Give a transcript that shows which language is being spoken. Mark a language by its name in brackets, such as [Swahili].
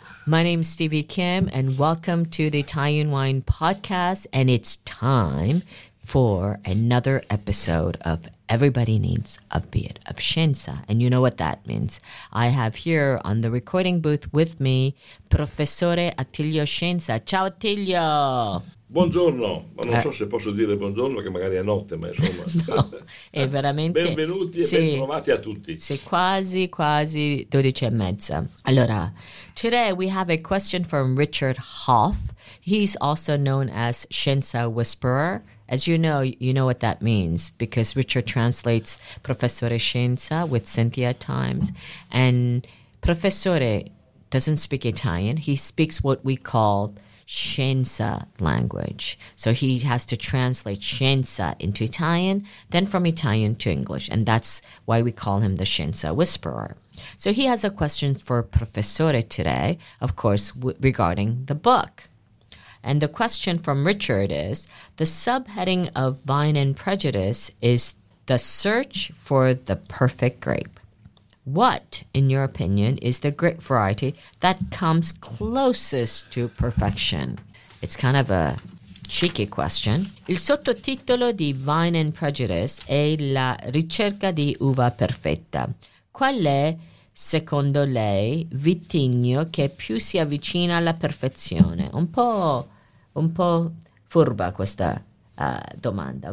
[English] My name is Stevie Kim, and welcome to the Italian Wine Podcast, and it's time for another episode of Everybody Needs a Bit of Scienza, and you know what that means. I have here on the recording booth with me, Professore Attilio Scienza. [Italian] Ciao Attilio! Buongiorno, ma non so se posso dire buongiorno, che magari è notte, ma insomma. No, è veramente. Benvenuti e bentrovati a tutti. Sì, quasi 12 e mezza. [English] Allora, today we have a question from Richard Hough. He's also known as Scienza Whisperer. As you know what that means, because Richard translates Professore Scienza with Cynthia at times. And Professore doesn't speak Italian, he speaks what we call Scienza language. So he has to translate Scienza into Italian, then from Italian to English. And that's why we call him the Scienza Whisperer. So he has a question for Professore today, of course, regarding the book. And the question from Richard is, the subheading of Vine and Prejudice is the search for the perfect grape. What, in your opinion, is the grape variety that comes closest to perfection? It's kind of a cheeky question. [Italian] Il sottotitolo di Vine and Prejudice è la ricerca di uva perfetta. Qual è, secondo lei, vitigno che più si avvicina alla perfezione? Un po' furba questa domanda.